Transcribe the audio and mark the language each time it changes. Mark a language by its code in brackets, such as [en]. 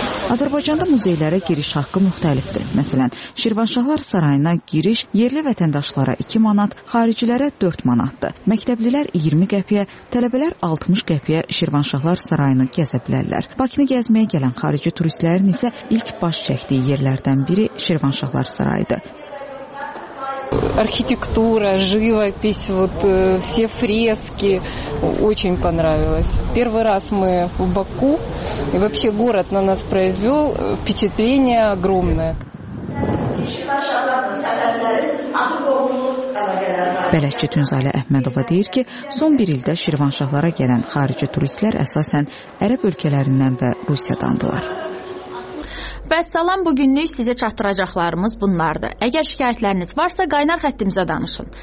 [az] Azərbaycanda muzeylərə giriş haqqı müxtəlifdir. Məsələn, Şirvanşahlar Sarayına giriş yerli vətəndaşlara 2 manat, xaricilərə 4 manatdır. Məktəblilər 20 qəpiyə, tələbələr 60 qəpiyə Şirvanşahlar Sarayını gəzə bilərlər. Bakını gəzməyə gələn xarici turistlərin isə ilk baş çəkdiyi yerlərdən biri Şirvanşahlar Sarayıdır. [ru] Архитектура, живопись, вот все фрески, очень понравилось. Первый раз мы в Баку, и вообще город на нас произвел впечатление огромное. [az] Bələdçi Tünzalə Əhmədova deyir ki, son bir ildə Şirvanşahlara gələn xarici turistlər əsasən Ərəb ölkələrindən və Rusiyadandılar. Bəs salam, bugünlük sizə çatdıracaqlarımız bunlardır. Əgər şikayətləriniz varsa, qaynar xəttimizə danışın.